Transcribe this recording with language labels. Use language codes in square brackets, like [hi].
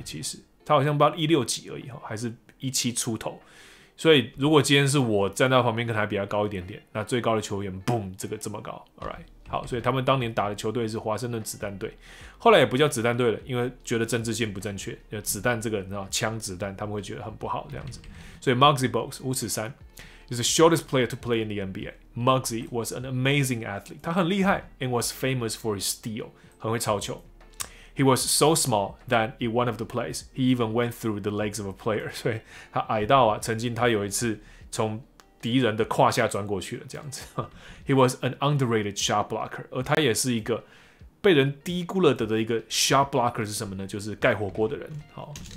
[zh] 其实他好像不到16几而已，还是17出头。所以如果今天是我站在旁边，可能还比他高一点点。那最高的球员 ，boom， 这个这么高 ， [en] all right， [zh] 好。所以他们当年打的球队是华盛顿子弹队，后来也不叫子弹队了，因为觉得政治性不正确，子弹这个你知道，枪子弹他们会觉得很不好这样子。 [en] So Muggsy Bogues, 五尺三, is the shortest player to play in the NBA. Muggsy was an amazing athlete. [zh] 他很厉害 [en] and was famous for his steal. [zh] 很会抄球. [en] He was so small that in one of the plays, he even went through the legs of a player. [zh] 所以他矮到啊，曾经他有一次从敌人的胯下钻过去了这样子. [en] He was an underrated shot blocker. [zh] 而他也是一个被人低估了的一个 shot blocker 是什么呢？就是盖火锅的人.好。